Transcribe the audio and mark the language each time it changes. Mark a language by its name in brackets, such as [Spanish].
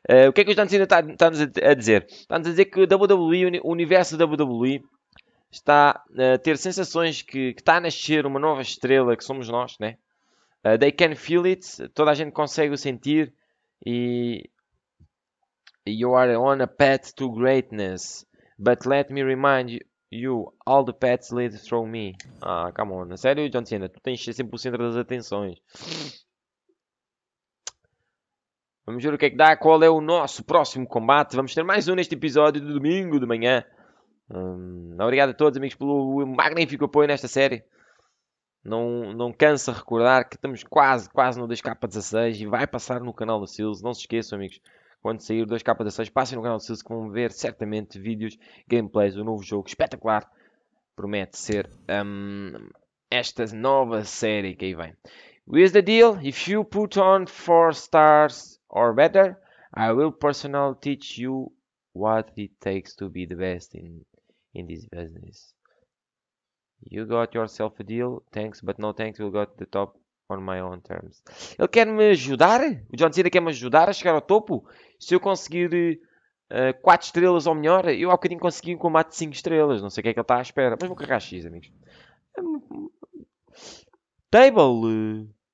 [Portuguese] O que é que o John Cena está-nos a dizer? Está-nos a dizer que o WWE, o universo WWE, está a ter sensações que está a nascer uma nova estrela que somos nós, né? [English] They can feel it, [Portuguese] toda a gente consegue o sentir. [English] E you are on a path to greatness, but let me remind you, all the paths lead through me. [Portuguese] Ah, [English] come on, [Portuguese] na sério, John Cena, tu tens sempre o centro das atenções. Vamos ver o que é que dá, qual é o nosso próximo combate. Vamos ter mais um neste episódio do domingo de manhã. Obrigado a todos, amigos, pelo magnífico apoio nesta série. Não cansa recordar que estamos quase, quase no 2K16 e vai passar no canal do Seals. Não se esqueçam, amigos, quando sair o 2K16, passem no canal do Seals que vão ver certamente vídeos, gameplays, o um novo jogo espetacular. Promete ser esta nova série que aí vem. [English] Here's the deal, if you put on 4 stars or better, I will personally teach you what it takes to be the best in this business. You got yourself a deal, thanks, but no thanks, you got the top on my own terms. [Portuguese] Ele quer me ajudar? O John Cena quer me ajudar a chegar ao topo? Se eu conseguir 4 estrelas ou melhor, eu há bocadinho consegui um combate de 5 estrelas, não sei o que é que ele está à espera. Mas vou carregar X, amigos. [English] Table!